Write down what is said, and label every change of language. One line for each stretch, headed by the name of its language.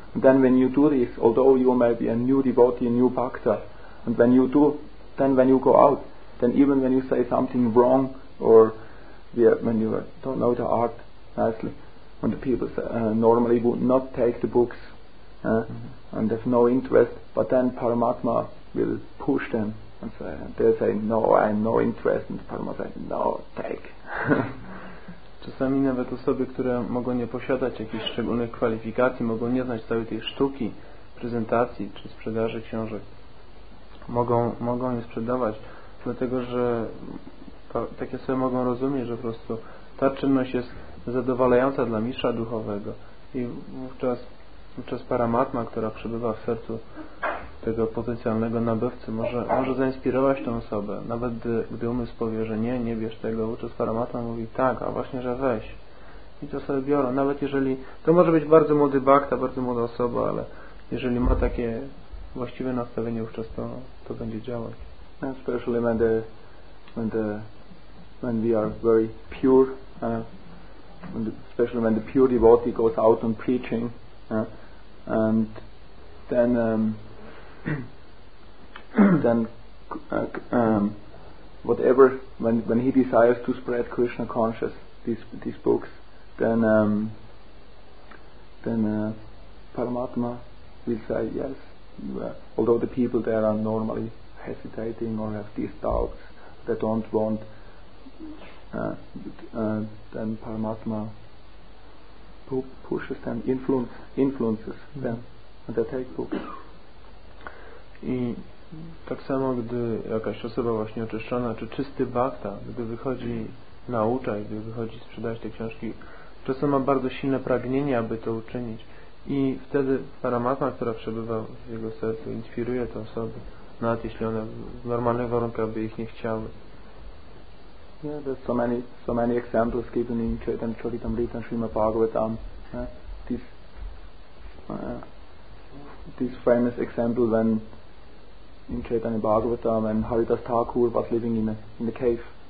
English: And then when you do this, although you may be a new devotee, a new bhakta, and when you do, then when you go out, then even when you say something wrong, or when you don't know the art nicely, when the people normally would not take the books, and have no interest, but then Paramatma will push them. They'll say, no, I have no interest, and Paramatma say, no, take.
Polish: Czasami nawet osoby, które mogą nie posiadać jakichś szczególnych kwalifikacji, mogą nie znać całej tej sztuki prezentacji czy sprzedaży książek, mogą je sprzedawać, dlatego że takie osoby mogą rozumieć, że po prostu ta czynność jest zadowalająca dla mistrza duchowego i wówczas Paramatma, która przebywa w sercu tego potencjalnego nabywcy, może zainspirować tę osobę. Nawet gdy umysł powie, że nie bierz tego, wówczas Paramatma mówi tak, a właśnie, że weź. I to sobie biorą. Nawet jeżeli to może być bardzo młody bhakta, bardzo młoda osoba, ale jeżeli ma takie właściwe nastawienie, wówczas to będzie działać.
English: Especially when we are very pure, especially when the pure devotee goes out on preaching, and then whatever when he desires to spread Krishna consciousness, these books, then Paramatma will say yes. Although the people there are normally hesitating or have these doubts, they don't want. Then Paramatma pushes them, influences them, and they take books.
Polish: I tak samo, gdy jakaś osoba właśnie oczyszczona, czy czysty bhakta, gdy wychodzi nauczać, gdy wychodzi sprzedać te książki, czasem ma bardzo silne pragnienie, aby to uczynić. I wtedy Paramatma, która przebywa w jego sercu, inspiruje te osoby, nawet jeśli one w normalnych warunkach by ich nie chciały.
English: Yeah, there's so many examples given in Chaitanya Charitamrita and Srimad Bhagavatam. This famous example when in Chaitanya Bhagavatam and Haridas Thakur was living in a cave.